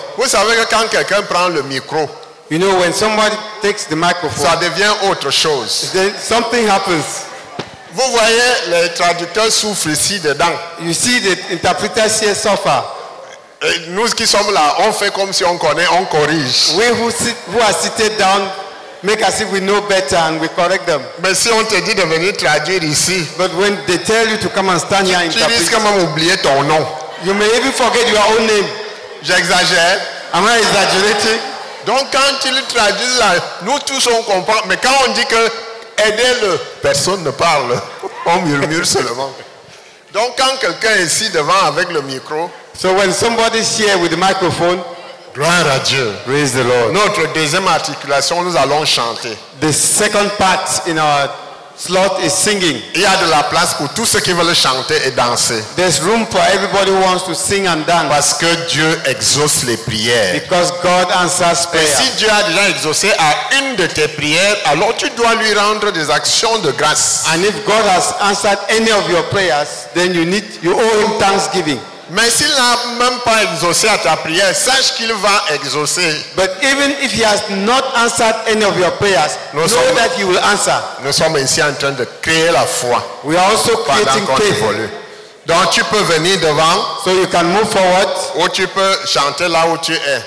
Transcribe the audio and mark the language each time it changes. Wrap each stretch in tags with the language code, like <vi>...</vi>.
<fr>Vous savez que quand quelqu'un prend le micro,</fr> <en>you know, when somebody takes the microphone,</en> <fr>ça devient autre chose.</fr> <en>Then something happens.</en> <fr>Vous voyez, les traducteurs souffrent ici dedans.</fr> <en>You see, the interpreters here suffer.</en> <fr>Et nous qui sommes là, on fait comme si on connaît, on corrige.</fr> <en>We who are seated down make as if we know better and we correct them.</en> <fr>Mais si on te dit de venir traduire ici,</fr> <en>but when they tell you to come and stand here,</en> <fr>tu risques même d'oublier ton nom.</fr> <en>You may even forget your own name.</en> <fr>J'exagère.</fr> <en>Am I exaggerating?</en> <fr>Donc quand ils traduisent là, nous tous on comprend, mais quand on dit que aidez-le, personne ne parle, on murmure seulement. Donc quand quelqu'un est ici devant avec le micro,</fr> <en>so when somebody is here with the microphone,</en> <fr>gloire à Dieu,</fr> <en>praise the Lord.</en> <fr>Notre deuxième articulation, nous allons chanter.</fr> <en>The second part in our slot is singing.</en> <fr>Il y a de la place pour tous ceux qui veulent chanter et danser.</fr> <en>There's room for everybody who wants to sing and dance.</en> <fr>Parce que Dieu exauce les prières.</fr> <en>Because God answers prayer.</en> <fr>Et si Dieu a déjà exaucé à une de tes prières, alors tu dois lui rendre des actions de grâce.</fr> <en>And if God has answered any of your prayers, then you owe him thanksgiving.</en> <fr>Mais s'il n'a même pas exaucé à ta prière, sache qu'il va exaucer.</fr> <en>But even if he has not answered any of your prayers, know that he will answer.</en> <fr>Nous sommes ici en train de créer la foi.</fr> <en>We are also creating faith.</en> <fr>Donc tu peux venir devant.</fr> <en>So you can move forward.</en> <fr>Ou tu peux chanter là où tu es.</fr>